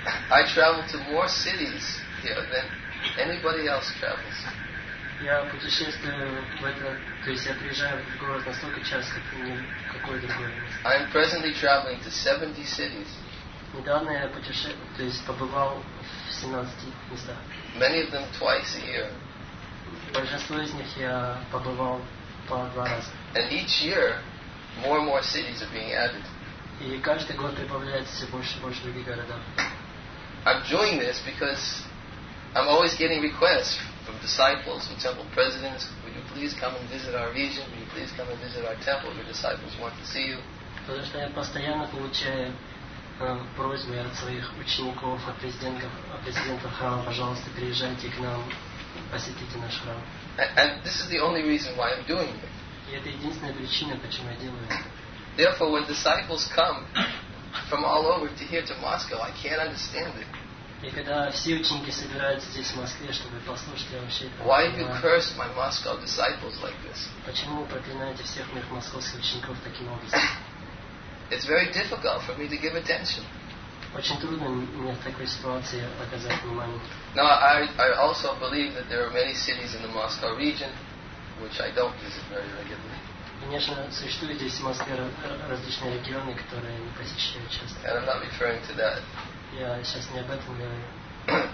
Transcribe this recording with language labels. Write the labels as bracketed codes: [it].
[en] I travel to more cities here than anybody else travels. [ru] Я путешествую в это, то есть я приезжаю в город настолько часто, как ни какой другой. [en] I'm presently traveling to 70 cities. [ru] Недавно я путешествую, то есть побывал в 17 местах. [en] Many of them twice a year. [ru] Большинство из них я побывал по два раза. [en] And each year, more and more cities are being added. [ru] И каждый год прибавляется все больше и больше других городов. [en] I'm doing this because I'm always getting requests from disciples, from temple presidents, would you please come and visit our region, would you please come and visit our temple, your disciples want to see you. [ru] Потому что я постоянно получаю просьбы от своих учеников, от президента храма, пожалуйста, приезжайте к нам, посетите наш храм. [en] And this is the only reason why I'm doing it. [ru] И это единственная причина, почему я делаю это. [en] Therefore, when disciples come from all over to here to Moscow, I can't understand it. [ru] И когда все ученики собираются здесь в Москве, чтобы послушать, я вообще это [en] Why have you cursed my Moscow disciples like this? [ru] Почему вы проклинаете всех моих московских учеников таким образом? [en] It's very difficult for me to give attention. [ru] Очень трудно мне в такой ситуации оказать внимание. [en] Now, I also believe that there are many cities in the Moscow region, which I don't visit very regularly. [ru] Конечно, существуют здесь в Москве различные регионы, которые не посещают часто. [en] And I'm not referring to that. [ru] Я сейчас не об этом говорю.